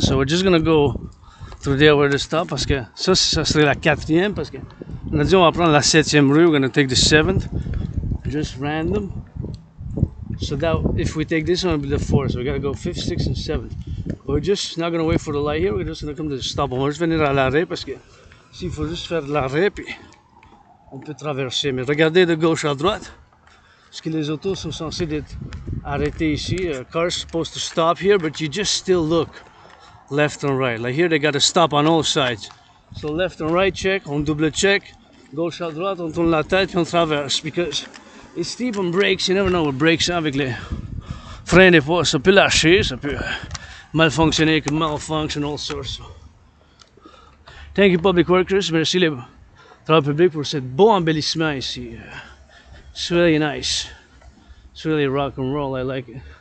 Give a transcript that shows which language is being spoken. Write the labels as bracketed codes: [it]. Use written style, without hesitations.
[en] So we're just gonna go through there where to stop. [fr] Parce que ça serait la 4ème. Parce que on a dit on va prendre la 7ème rue. [en] We're gonna take the 7th. Just random. So that if we take this one, it'll be the 4th. So we gotta go 5th, 6th, and 7th. We're just not gonna wait for the light here. We're just gonna come to the stop. [fr] On va juste venir à l'arrêt. Parce que s'il faut juste faire l'arrêt, puis on peut traverser. Mais regardez de gauche à droite. Parce que les autos sont censées être. Arrêtez ici, [en] a car's supposed to stop here, but you just still look left and right. Like here, they got to stop on all sides. So left and right check, on double check, [fr] gauche à droite, on tourne la tête, on traverse, [en] because it's steep on brakes, you never know what brakes are [fr] avec les freins des fois. Ça peut lâcher, ça peut malfonctionner, [en] can malfunction, all sorts. Thank you, public workers. [fr] Merci les travaux publics pour cet beau embellissement ici. [en] It's really nice. It's really rock and roll, I like it.